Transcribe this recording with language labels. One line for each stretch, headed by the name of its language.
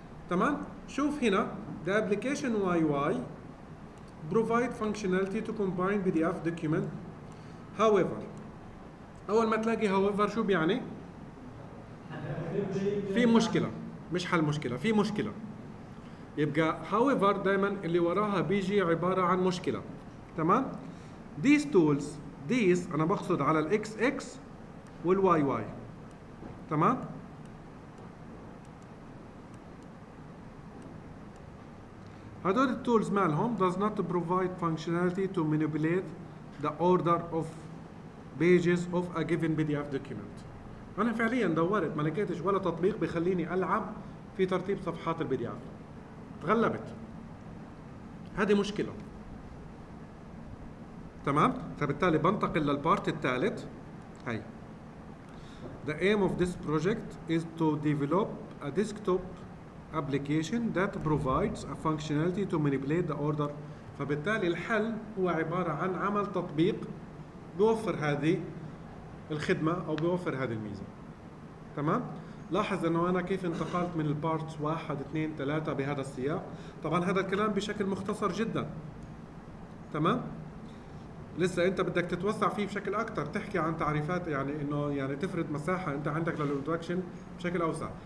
Arabic: تمام. شوف هنا
English: the application UI provide functionality to combine PDF document.
Arabic: however أول ما تلاقي however شو بيعني؟ في مشكلة، مش حل مشكلة، في مشكلة. يبقى however دائما اللي وراها بيجي عبارة عن مشكلة، تمام؟
English: these tools these
Arabic: أنا بقصد على ال XX وال YY، تمام؟ هدول التولز مالهم
English: does not provide functionality to manipulate the order of pages of a given PDF document.
Arabic: أنا فعليا دورت ما لقيتش ولا تطبيق بخليني ألعب في ترتيب صفحات البي دي اف، تغلبت. هذه مشكلة، تمام؟ فبالتالي بنتقل للبارت الثالث.
English: هاي the aim of this project is to develop a desktop application that provides a functionality to manipulate the order.
Arabic: فبالتالي الحل هو عبارة عن عمل تطبيق بيوفر هذه الخدمة أو بيوفر هذه الميزة، تمام؟ لاحظ أنه أنا كيف انتقلت من البارتس 1 2 3 بهذا السياق. طبعا هذا الكلام بشكل مختصر جدا، تمام؟ لسه أنت بدك تتوسع فيه بشكل أكثر، تحكي عن تعريفات، يعني أنه يعني تفرد مساحة أنت عندك للإنتراكشن بشكل أوسع.